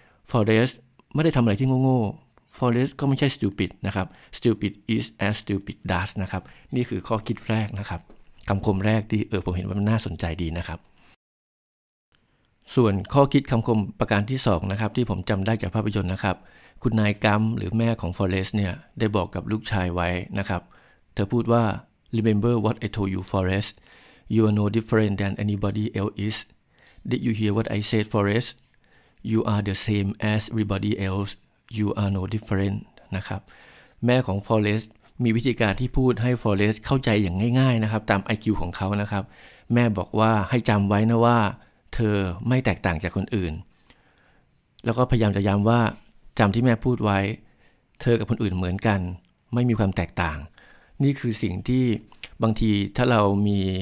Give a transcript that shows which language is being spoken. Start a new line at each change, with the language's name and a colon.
Thai: Forrest ไม่ได้ทำอะไรที่โง่ๆ Forrest ก็ไม่ใช่ stupid นะครับ
English: stupid is as stupid does
Thai: นะครับนี่คือข้อคิดแรกนะครับคำคมแรกที่ผมเห็นว่ามันน่าสนใจดีนะครับส่วนข้อคิดคำคมประการที่2นะครับที่ผมจำได้จากภาพยนตร์นะครับคุณนายกัมหรือแม่ของ Forrest เนี่ยได้บอกกับลูกชายไว้นะครับเธอพูดว่า
English: Remember what I told you ForrestYou are no different than anybody else is. Did you hear what I said, Forrest? You are the same as everybody else. You are no different.
Thai: นะครับแม่ของ Forrest มีวิธีการที่พูดให้ Forrest เข้าใจอย่างง่ายๆนะครับตาม IQ ของเขานะครับแม่บอกว่าให้จำไว้นะว่าเธอไม่แตกต่างจากคนอื่นแล้วก็พยายามจะย้ำว่าจำที่แม่พูดไว้เธอกับคนอื่นเหมือนกันไม่มีความแตกต่างนี่คือสิ่งที่บางทีถ้าเรามี